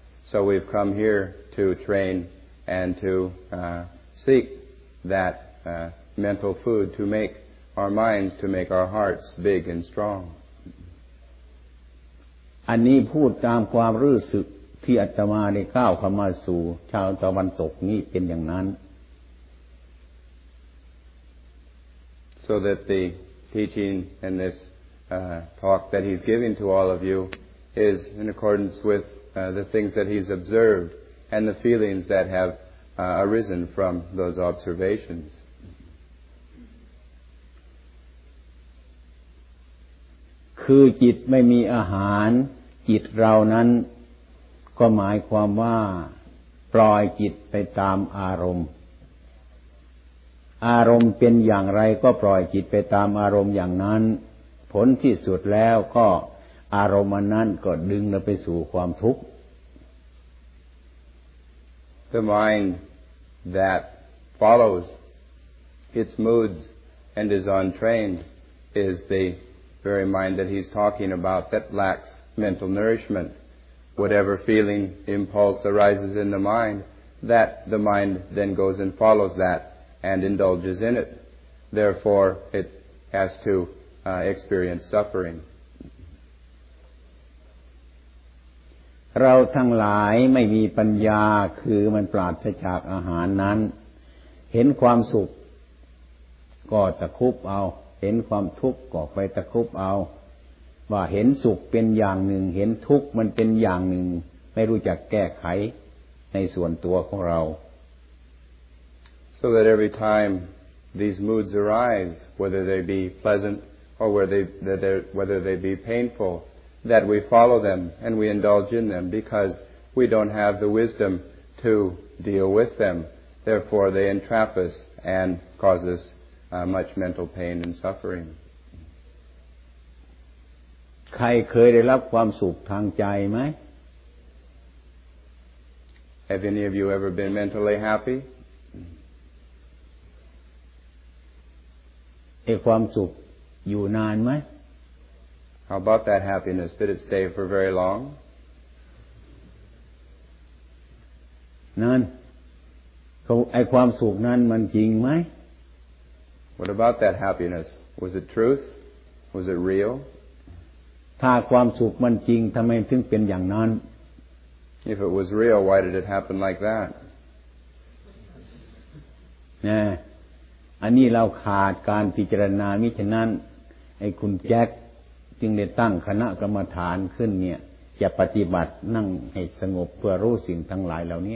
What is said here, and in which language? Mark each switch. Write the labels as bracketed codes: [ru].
[en] So we've come here to train and to seek that mental food to make our minds, to make our hearts big and strong. [th] อันนี้พูดตามความรู้สึกที่อาตมาได้ก้าวเข้ามาสู่ชาวตะวันตกนี้เป็นอย่างนั้น [en] So that the teaching and this talk that he's giving to all of you is in accordance with the things that he's observed and the feelings that have arisen from those observations [th] คือจิตไม่มีอาหารจิตเรานั้นก็หมายความว่าปล่อยจิตไปตามอารมณ์อารมณ์เป็นอย่างไรก็ปล่อยจิตไปตามอารมณ์อย่างนั้นผลที่สุดแล้วก็อารมณ์นั้นก็ดึงเราไปสู่ความทุกข์ [en] The mind that follows its moods and is untrained is the very mind that he's talking about that lacksmental nourishment whatever feeling impulse arises in the mind that the mind then goes and follows that and indulges in it therefore it has to experience suffering [th] เราทั้งหลายไม่มีปัญญาคือมันปราศจากอาหารนั้นเห็นความสุขก็ตะคุบเอาเห็นความทุกข์ก็ไปตะคุบเอาว่าเห็นสุขเป็นอย่างหนึ่งเห็นทุกข์มันเป็นอย่างหนึ่งไม่รู้จักแก้ไขในส่วนตัวของเรา [en] So that every time these moods arise whether they be pleasant or whether they be painful that we follow them and we indulge in them because we don't have the wisdom to deal with them therefore they entrap us and cause us much mental pain and suffering [th] ใครเคยได้รับความสุขทางใจไหม [en] Have any of you ever been mentally happy? [th] ไอ้ความสุขอยู่นานไหม [en] How about that happiness? Did it stay for very long? [th] นั่นไอ้ความสุขนั้นมันจริงไหม [en] What about that happiness? Was it truth? Was it real? [th] ถ้าความสุขมันจริงทำไมถึงเป็นอย่างนั้น [en] If it was real, why did it happen like that? [th] นะ อันนี้เราขาดการพิจารณามิฉะนั้นไอ้คุณแจ็คจึงได้ตั้งคณะกรรมฐานขึ้นเนี่ยจะปฏิบัตินั่งให้สงบเพื่อรู้สิ่งทั้งหลายเหล่านี